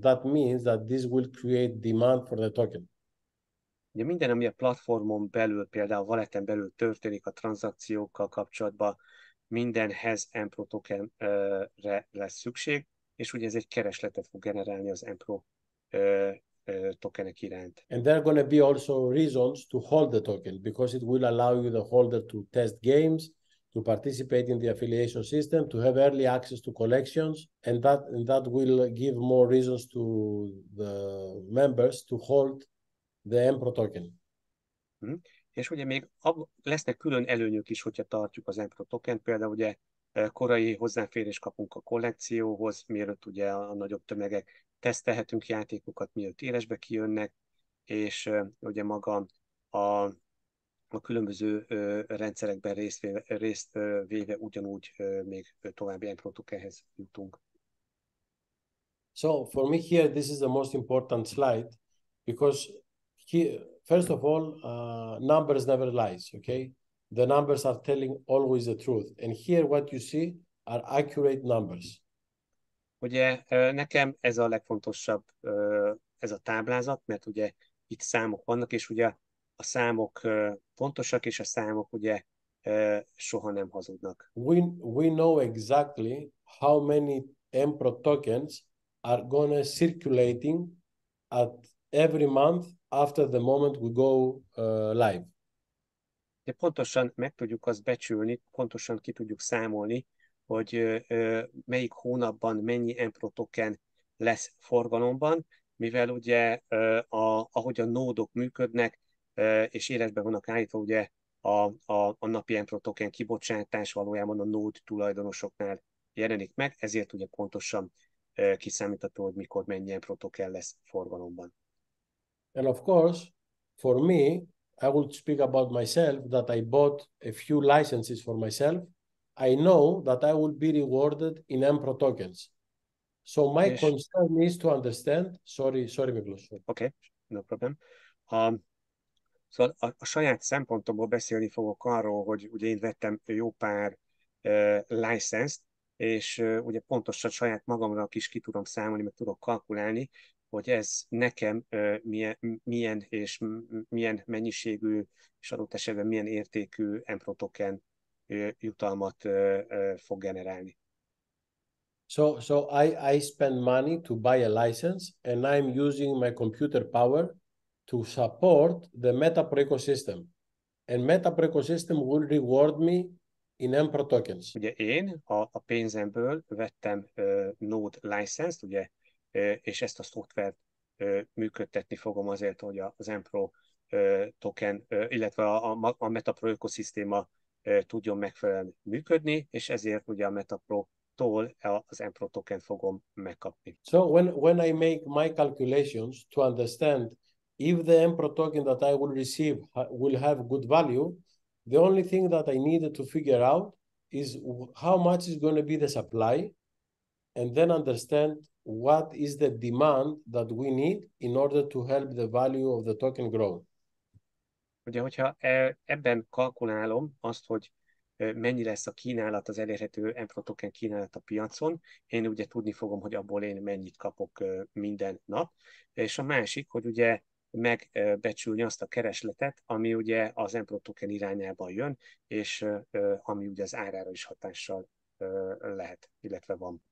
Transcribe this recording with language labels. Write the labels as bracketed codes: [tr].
[en] That means that this will create demand for the token. [hu] Ugye minden, ami a platformon belül, például valeten belül történik a tranzakciókkal kapcsolatban, mindenhez EMPRO tokenre lesz szükség, és ugye ez egy keresletet fog generálni az EMPRO tokenek iránt. [en] And there are going to be also reasons to hold the token because it will allow you, the holder, to test games, to participate in the affiliation system, to have early access to collections, and that will give more reasons to the members to hold the EMPRO token. Mm-hmm. [hu] És ugye még lesznek külön előnyök is, hogyha tartjuk az EMPRO token, például ugye korai hozzáférés kapunk a kollekcióhoz, mielőtt ugye a nagyobb tömegek tesztelhetünk játékokat, mielőtt élesbe kijönnek, és ugye maga a különböző rendszerekben részt véve ugyanúgy még további EMPRO tokenhez jutunk. [en] So for me here, this is the most important slide, because first of all, numbers never lies, okay? The numbers are telling always the truth. And here what you see are accurate numbers. [hu] Ugye nekem ez a legfontosabb, ez a táblázat, mert ugye itt számok vannak, és ugye a számok pontosak, és a számok ugye soha nem hazudnak. [en] We know exactly how many EMPRO tokens are going to circulating at every month after the moment we go live. [hu] De pontosan meg tudjuk azt becsülni, pontosan ki tudjuk számolni, hogy melyik hónapban mennyi EMPRO token lesz forgalomban, mivel ugye ahogy a nódok működnek, és életben vannak állítva, ugye a napi EMPRO token kibocsátás valójában a nód tulajdonosoknál jelenik meg, ezért ugye pontosan kiszámítható, hogy mikor mennyi EMPRO token lesz forgalomban. [en] And of course, for me, I will speak about myself, that I bought a few licenses for myself. I know that I will be rewarded in EMPRO tokens. So my concern is to understand, sorry, Miklós. Okay, no problem. [hu] Szóval a saját szempontomból beszélni fogok arról, hogy ugye én vettem jó pár licenszt, és ugye pontosan saját magamra is ki tudom számolni, meg tudok kalkulálni, hogy ez nekem milyen és milyen mennyiségű, és adott esetben milyen értékű EMPRO token jutalmat fog generálni. [en] So I spend money to buy a license, and I'm using my computer power to support the MetaPro ecosystem. And MetaPro ecosystem will reward me in EMPRO tokens. [hu] Ugye én a pénzemből vettem Node license, ugye, és ezt a szoftvert működtetni fogom azért, hogy az EMPRO token, illetve a MetaPro ökoszisztéma tudjon megfelelően működni, és ezért ugye a MetaPro-tól az EMPRO token fogom megkapni. [en] So when I make my calculations to understand if the EMPRO token that I will receive will have good value, the only thing that I needed to figure out is how much is going to be the supply, and then understand what is the demand that we need in order to help the value of the token grow. [hu] Ugye, hogyha ebben kalkulálom azt, hogy mennyi lesz a kínálat, az elérhető EMPRO token kínálat a piacon, én ugye tudni fogom, hogy abból én mennyit kapok minden nap. És a másik, hogy ugye megbecsülni azt a keresletet, ami ugye az EMPRO token irányában jön, és ami ugye az árára is hatással lehet, illetve van.